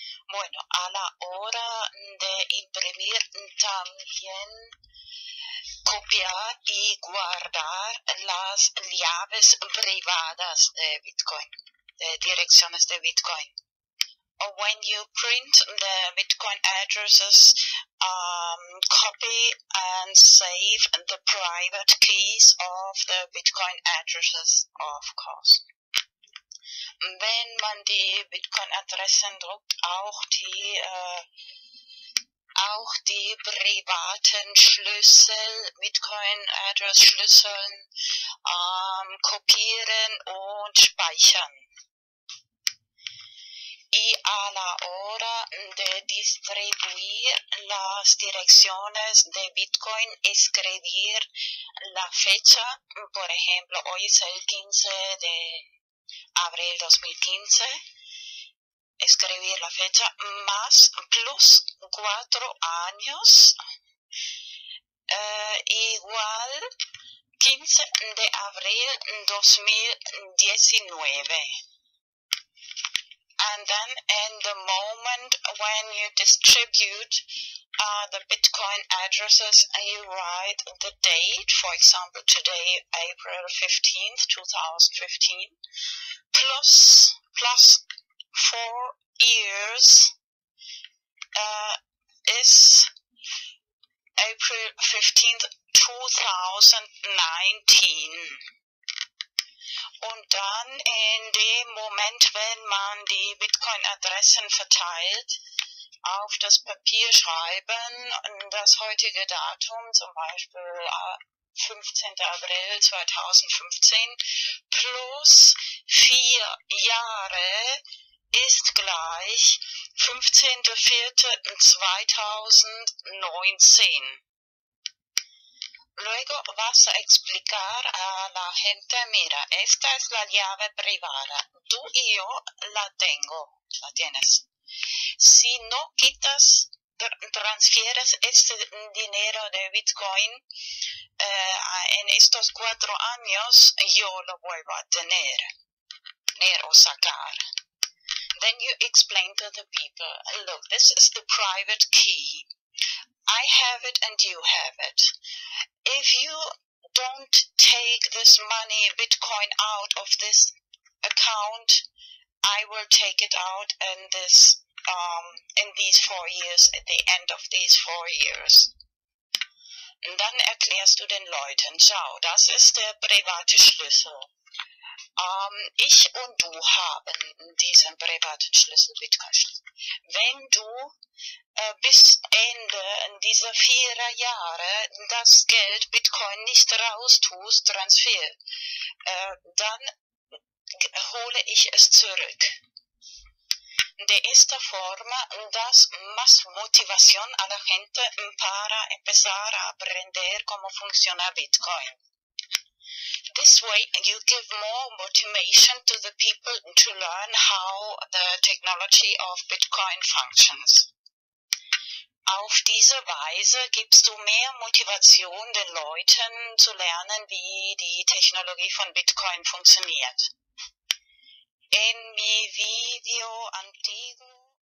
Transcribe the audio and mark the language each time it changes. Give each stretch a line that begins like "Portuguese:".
Spanish: Bueno, a la hora de imprimir también copiar y guardar las llaves privadas de Bitcoin, de direcciones de Bitcoin.
English: Or when you print the Bitcoin addresses, copy and save the private keys of the Bitcoin addresses, of course.
German: Wenn man die Bitcoin-Adressen druckt, auch die privaten Schlüssel, Bitcoin-Address-Schlüsseln, kopieren und speichern.
Spanish: Y a la hora de distribuir las direcciones de Bitcoin, escribir la fecha, por ejemplo, hoy es el 15 de abril 2015, escribir la fecha más plus 4 años, igual 15 de abril 2019.
English: And then in the moment when you distribute the Bitcoin addresses, you write the date, for example, today, April 15th, 2015, plus 4 years is April 15th, 2019.
German: Und dann in dem Moment, wenn man die Bitcoin-Adressen verteilt, auf das Papier schreiben, das heutige Datum, zum Beispiel 15. April 2015, plus 4 Jahre ist gleich 15.04.2019.
Spanish: Luego vas a explicar a la gente, mira, esta es la llave privada, tú y yo la tengo, la tienes. Si no quitas, transfieres este dinero de Bitcoin en estos 4 años, yo lo vuelvo a tener o sacar.
English: Then you explain to the people, look, this is the private key. I have it and you have it. If you don't take this money, Bitcoin, out of this account, I will take it out in this, in these 4 years, at the end of these 4 years.
German: Und dann erklärst du den Leuten, schau, das ist der private Schlüssel. Ich und du haben diesen privaten Schlüssel, Bitcoin-Schlüssel. Wenn du bis Ende dieser 4 Jahre das Geld Bitcoin nicht raus tust, Transfer, dann hole ich es zurück.
Spanish: De esta forma das más motivación a la gente para empezar a aprender cómo funciona Bitcoin. De
English: this way, you give more motivation to the people to learn how the technology of Bitcoin functions.
German: Auf diese Weise gibst du mehr Motivation den Leuten zu lernen, wie die Technologie von Bitcoin funktioniert.
Spanish: In mi video antiguo.